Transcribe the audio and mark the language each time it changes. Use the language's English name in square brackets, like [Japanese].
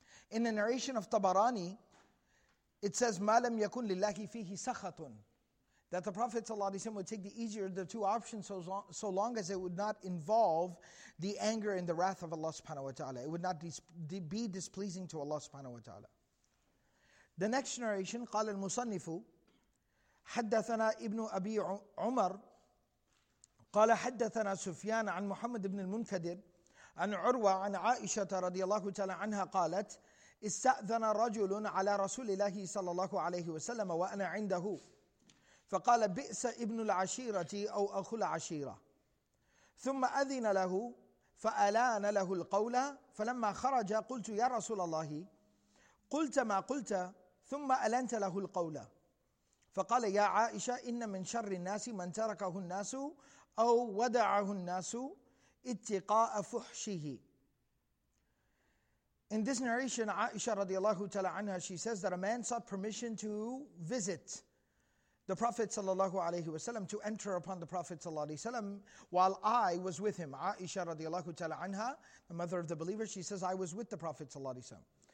[English] In the narration of Tabarani, it says, [Arabic] مَا لَمْ يَكُنْ لِلَّهِ فِيهِ سَخَطٌ, [English] that the Prophet ﷺ would take the easier of the two options so long as it would not involve the anger and the wrath of Allah subhanahu wa ta'ala. It would not be displeasing to Allah subhanahu wa ta'ala. The next narration, [Arabic] قال المصنف, حدثنا ابن أبي عمر قال حدثنا سفيان عن محمد بن المنكدر عن عروة عن عائشة رضي الله تعالى عنها قالت, استأذن رجل على رسول الله صلى الله عليه وسلم وأنا عنده فقال بئس ابن العشيرة أو أخو العشيرة ثم أذن له فألان له القول فلما خرج قلت يا رسول الله قلت ما قلت ثم ألنت له القول فقال يا عائشة إن من شر الناس من تركه الناس أو ودعه الناس اتقاء فحشه. [English] In this narration, Aisha radiallahu ta'ala anha, she says that a man sought permission to visit the Prophet sallallahu alayhi wasallam, to enter upon the Prophet sallallahu alayhi wasallam while I was with him. Aisha radiallahu ta'ala anha, the mother of the believer, she says, I was with the Prophet sallallahu alayhi wasallam.